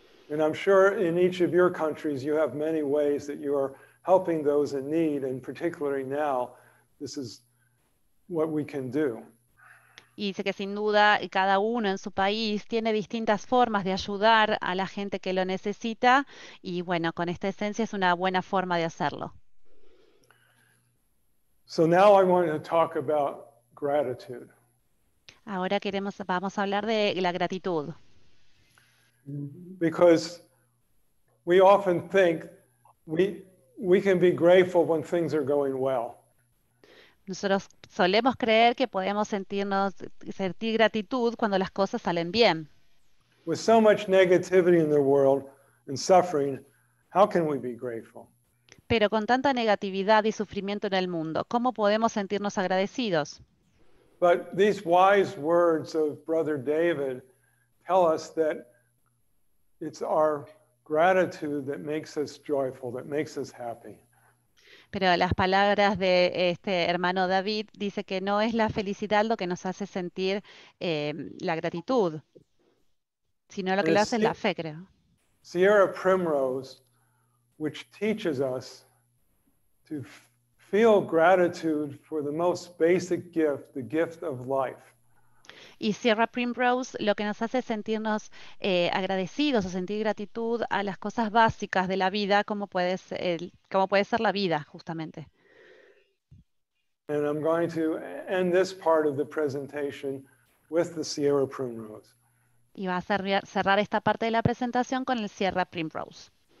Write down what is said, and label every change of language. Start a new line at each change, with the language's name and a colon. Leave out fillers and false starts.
English: And I'm sure in each of your countries you have many ways that you are helping those in need, and particularly now, this is what we can do.
Spanish: Y dice que sin duda cada uno en su país tiene distintas formas de ayudar a la gente que lo necesita, y bueno, con esta esencia es una buena forma de hacerlo.
English: So now I want to talk about gratitude.
Spanish: Ahora vamos a hablar de la gratitud.
English: Because we often think we can be grateful when things are going well.
Spanish: Nosotros solemos creer que podemos sentir gratitud cuando las cosas salen bien.
English: With so much negativity in the world and suffering, how can we be grateful?
Spanish: Pero con tanta negatividad y sufrimiento en el mundo, ¿cómo podemos sentirnos agradecidos?
English: But these wise words of Brother David tell us that it's our gratitude that makes us joyful, that makes us happy.
Spanish: Pero las palabras de este hermano David dice que no es la felicidad lo que nos hace sentir la gratitud, sino lo que lo hace la fe, creo.
English: Sierra Primrose, which teaches us to feel gratitude for the most basic gift, the gift of life.
Spanish: Y Sierra Primrose lo que nos hace sentirnos agradecidos o sentir gratitud a las cosas básicas de la vida, como puede ser la vida, justamente.
English: And I'm going to end this part of the presentation with the Sierra Primrose.
Spanish: Y va a cerrar esta parte de la presentación con el Sierra Primrose.